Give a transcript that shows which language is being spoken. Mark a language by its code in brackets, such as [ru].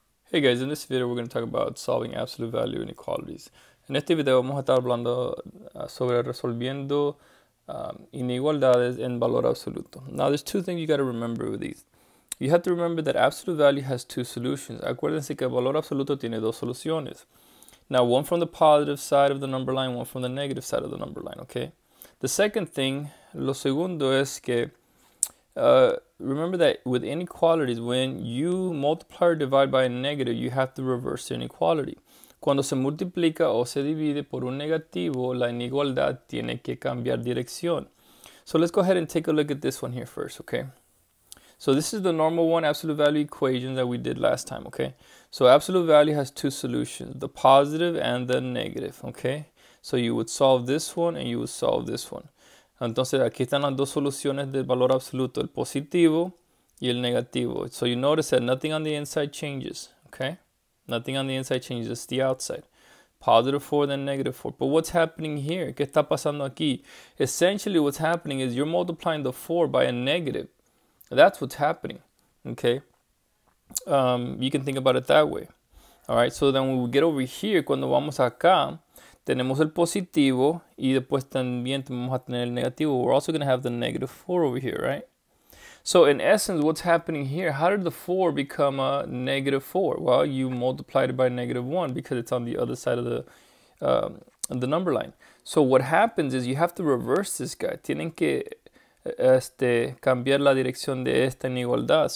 [en] Hey guys, in this video we're going to talk about solving absolute value inequalities. [es] En este video vamos a estar hablando sobre resolviendo inigualdades en valor absoluto. [en] Now there's two things you got to remember with these. You have to remember that absolute value has two solutions. [es] Acuérdense que valor absoluto tiene dos soluciones. [en] Now one from the positive side of the number line, one from the negative side of the number line, okay? The second thing, [es] lo segundo es que [en] remember that with inequalities, when you multiply or divide by a negative, you have to reverse the inequality. [es] Cuando se multiplica o se divide por un negativo, la inigualdad tiene que cambiar dirección. [en] So let's go ahead and take a look at this one here first, okay? So this is the normal one, absolute value equation that we did last time, okay? So absolute value has two solutions, the positive and the negative, okay? So you would solve this one and you would solve this one. [es] Entonces, aquí están las dos soluciones del valor absoluto, el positivo y el negativo. [en] So you notice that nothing on the inside changes, okay? Nothing on the inside changes, it's the outside. Positive 4, then negative 4. But what's happening here? [es] ¿Qué está pasando aquí? [en] Essentially, what's happening is you're multiplying the 4 by a negative. That's what's happening, okay? You can think about it that way. All right, so then when we get over here, [es] cuando vamos acá, tenemos el positivo y después también vamos a tener el negativo. [en] We're also going to have the negative 4 over here, right? So in essence, what's happening here? How did the 4 become a negative 4? Well, you multiplied it by negative 1 because it's on the other side of the number line. So what happens is you have to reverse this guy. [es] Tienen que cambiar la dirección de esta inigualdad.